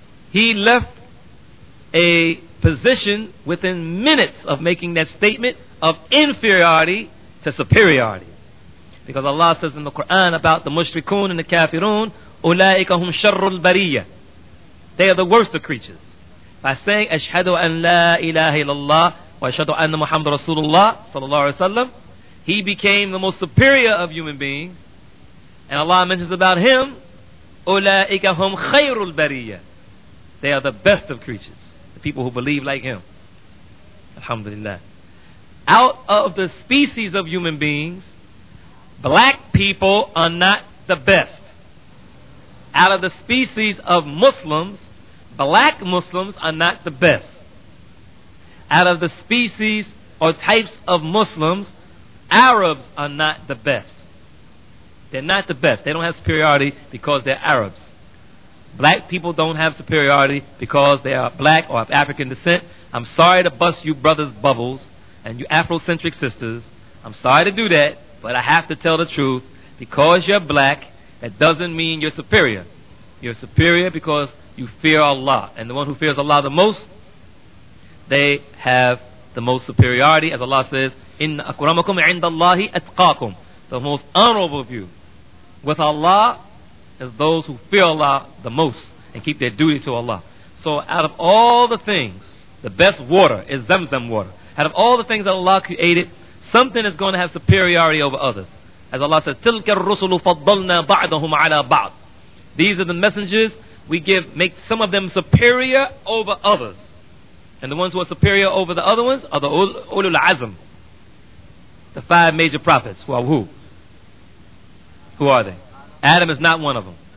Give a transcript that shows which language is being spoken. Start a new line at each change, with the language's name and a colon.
English: He left a position within minutes of making that statement of inferiority to superiority. Because Allah says in the Quran about the mushrikun and the kafirun,
Arabic: أُولَٰئِكَ هُمْ شَرُّ الْبَرِيَّةِ.
English: They are the worst of creatures. By saying,
Arabic: أَشْهَدُ أَنْ لَا إِلَٰهِ إِلَّا اللَّهِ وَأَشْهَدُ أَنَّ مُحَمَّدَ رَسُولُ اللَّهِ صلى الله عليه وسلم,
English: he became the most superior of human beings. And Allah mentions about him,
Arabic: أُولَٰئِكَ هُمْ خَيْرُ الْبَرِيَّةِ.
English: They are the best of creatures, the people who believe like him. Alhamdulillah. Out of the species of human beings, black people are not the best. Out of the species of Muslims, black Muslims are not the best. Out of the species or types of Muslims, Arabs are not the best. They're not the best. They don't have superiority because they're Arabs. Black people don't have superiority because they are black or of African descent. I'm sorry to bust you brothers' bubbles and you Afrocentric sisters. I'm sorry to do that, but I have to tell the truth. Because you're black, that doesn't mean you're superior. You're superior because you fear Allah. And the one who fears Allah the most, they have the most superiority. As Allah says,
Arabic: إِنَّ أَكْرَمَكُمْ عِنْدَ اللَّهِ أَتْقَاكُمْ.
English: The most honorable of you with Allah is those who fear Allah the most and keep their duty to Allah. So out of all the things, the best water is Zamzam water. Out of all the things that Allah created, something is going to have superiority over others. As Allah says,
Arabic: تِلْكَ الرُّسُلُ فَضَّلْنَا بَعْضَهُمْ عَلَى بَعْضٍ.
English: These are the messengers we give, make some of them superior over others. And the ones who are superior over the other ones are the Ulul Azm. The five major prophets. Well, who? Who are they? Adam is not one of them.